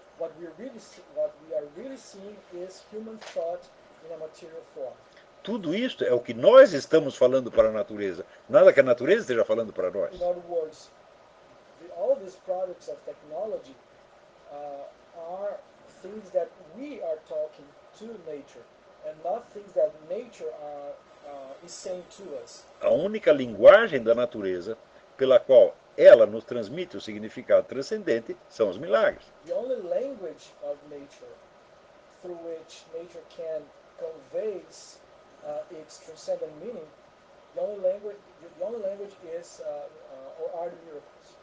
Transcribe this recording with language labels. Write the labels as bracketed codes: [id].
[en] What we really see, what we are really seeing is human thought in a material form. [pt] Tudo isto é o que nós estamos falando para a natureza. Nada que a natureza esteja falando para nós. [en] In other words, all these products of technology are things that we are talking to nature, and not things that nature is saying to us. [pt] A única linguagem da natureza pela qual ela nos transmite o significado transcendente são os milagres. [en] The only language of nature through which nature can convey its transcendent meaning, the only language is or are the miracles.